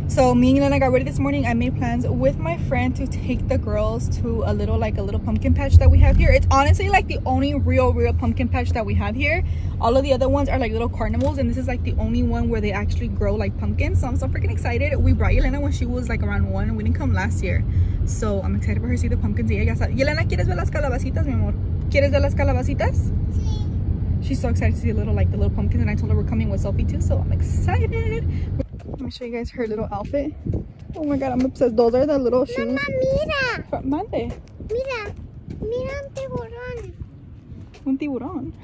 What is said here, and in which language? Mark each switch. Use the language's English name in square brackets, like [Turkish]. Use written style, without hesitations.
[English] So me and Elena got ready this morning. I made plans with my friend to take the girls to a little, like a little pumpkin patch that we have here. It's honestly like the only real, real pumpkin patch that we have here. All of the other ones are like little carnivals, and this is like the only one where they actually grow like pumpkins. So I'm so freaking excited. We brought Elena when she was like around one. We didn't come last year. So I'm excited for her to see the pumpkins. [Spanish] Y Elena, ¿quieres ver las calabacitas, mi amor? ¿Quieres ver las calabacitas? Sí. [English] She's so excited to see a little, like the little pumpkins, and I told her we're coming with Sophie too, so I'm excited. Let me show you guys her little outfit. Oh my god, I'm obsessed. Those are the little Mama, shoes. [Spanish] Mama, mira. [English] From Monday. [Spanish] Mira, mira un tiburón. Un tiburón.